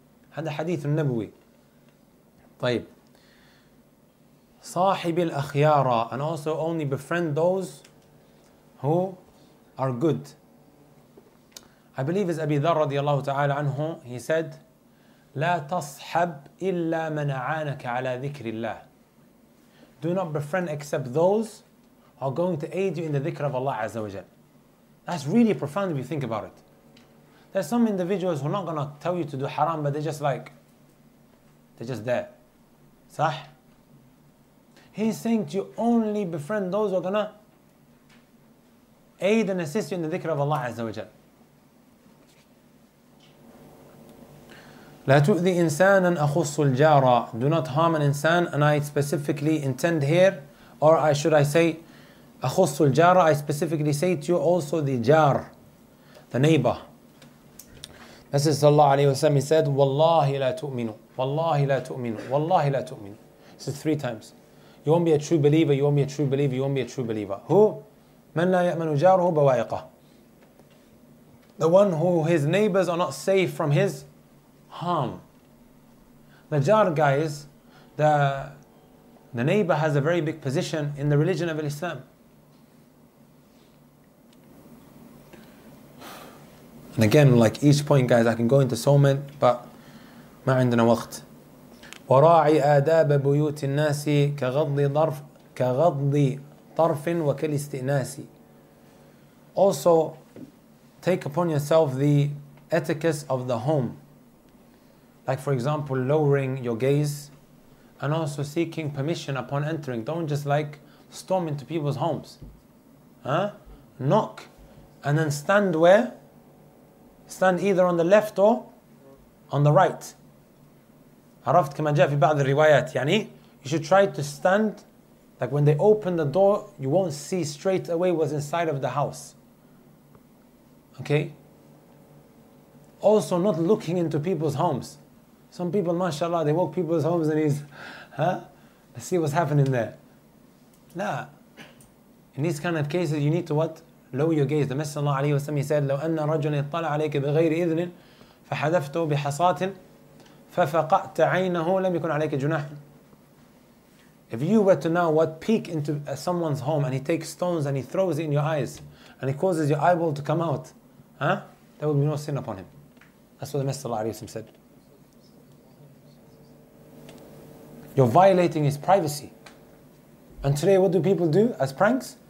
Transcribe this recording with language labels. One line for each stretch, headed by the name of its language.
English: Had the hadith al-Nabawi.
Arabic: طيب. صاحب الأخيار.
English: And also only befriend those who are good. I believe it's Abi Dharr radiallahu ta'ala anhu.
Arabic: He said, لا تصحب إلا من أعانك على ذكر الله.
English: Do not befriend except those who are going to aid you in the dhikr of Allah Azza wa Jal. That's really profound if you think about it. There's some individuals who are not going to tell you to do haram, but they're just there.
Arabic: صح?
English: He's saying to you, only befriend those who are going to aid and assist you in the dhikr of Allah Azza wa Jal.
Arabic: لا تؤذي إنسانا أخص الجارة.
English: Do not harm an insan. And I specifically intend here, or I should I say
Arabic: أخص الجارة,
English: I specifically say to you also the jar, the neighbor. This is Allah عليه وسلم.
Arabic: He said, والله لا تؤمنوا, والله لا تؤمنوا, والله لا تؤمنوا.
English: This is three times. You won't be a true believer, you won't be a true believer, you won't be a true believer.
Arabic: Who? من لا يأمن جاره بوائقه.
English: The one who his neighbors are not safe from his harm. The jar guys, the neighbor has a very big position in the religion of Islam. And again, like each point, guys, I can go into so many, but
Arabic: ما عندنا وقت. وراعي آداب بيوت الناس كغضي طرف وكالاستئناس.
English: Also, take upon yourself the etiquette of the home. Like for example, lowering your gaze and also seeking permission upon entering. Don't just like storm into people's homes. Knock and then stand where? Stand either on the left or on the right.
Arabic: عرفت كما جاء في بعض الروايات.
English: يعني you should try to stand like when they open the door, you won't see straight away what's inside of the house. Okay? Also not looking into people's homes. Some people, mashallah, they walk people's homes and he's, see what's happening there.
Arabic: لا.
English: In these kind of cases, you need to what? Lower your gaze.
Arabic: The Messenger of Allah عليه وسلم, he said, لو أن رجل اطلع عليك بغير إذن فحذفته بحصات ففقعت عينه لم يكن عليك جناح.
English: If you were to now what peek into someone's home and he takes stones and he throws it in your eyes and he causes your eyeball to come out, huh? There will be no sin upon him. That's what the Messenger of Allah عليه وسلم said. You're violating his privacy. And today what do people do as pranks?